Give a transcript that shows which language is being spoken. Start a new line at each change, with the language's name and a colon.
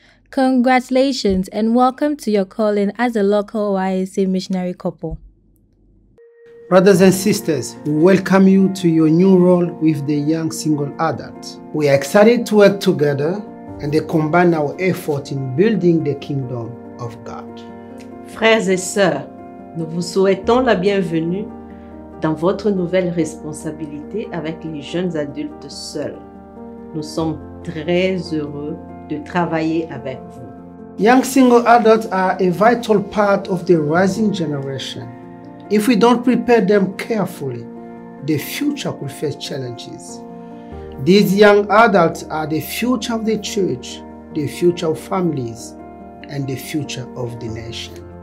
English: Congratulations and welcome to your calling as a local YSA missionary couple. Brothers and sisters, we welcome you to your new role with the young single adult. We are excited to work together and they combine our effort in building the kingdom of God.
French: Frères et sœurs, nous vous souhaitons la bienvenue dans votre nouvelle responsabilité avec les jeunes adultes seuls. Nous sommes très heureux de travailler avec vous.
English: Young single adults are a vital part of the rising generation. If we don't prepare them carefully, the future could face challenges. These young adults are the future of the church, the future of families, and the future of the nation.